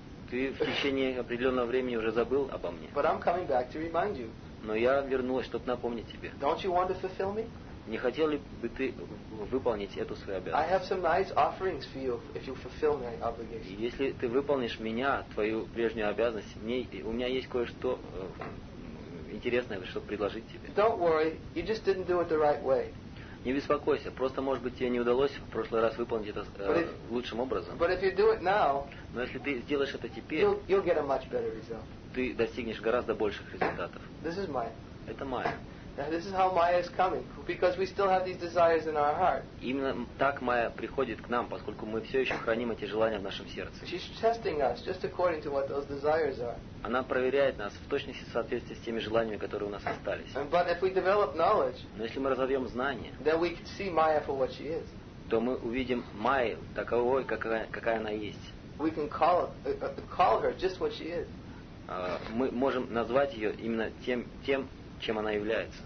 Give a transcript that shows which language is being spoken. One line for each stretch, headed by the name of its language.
Russian: Ты в течение определенного времени уже забыл обо мне.
English: But I'm coming back to remind you.
Russian: Но я вернулась, чтобы напомнить тебе.
English: Don't you want to fulfill me?
Russian: Не хотел ли бы ты выполнить эту свою обязанность?
English: I have some nice offerings for you if you fulfill my obligation.
Russian: Если ты выполнишь меня, твою прежнюю обязанность, мне, у меня есть кое-что интересное, чтобы предложить тебе.
English: Don't worry, you just didn't do it the right way.
Russian: Не беспокойся, просто, может быть, тебе не удалось в прошлый раз выполнить это лучшим образом.
English: But if you do it now,
Russian: но если ты сделаешь это теперь,
English: you'll get a much better result.
Russian: Ты достигнешь гораздо больших результатов.
English: This is mine.
Russian: Это моя.
English: Now, this is how Maya is coming, because we still have these desires in our heart.
Russian: Именно так Майя приходит к нам, поскольку мы все еще храним эти желания в нашем сердце.
English: She's testing us just according to what those desires are.
Russian: Она проверяет нас в точности в соответствии с теми желаниями, которые у нас остались.
English: But if we develop knowledge,
Russian: но если мы разовьем знания,
English: then we can see Maya for what she is.
Russian: То мы увидим Майю таковой, какая она есть.
English: We can call her just what she is.
Russian: Мы можем назвать ее именно тем, чем она является.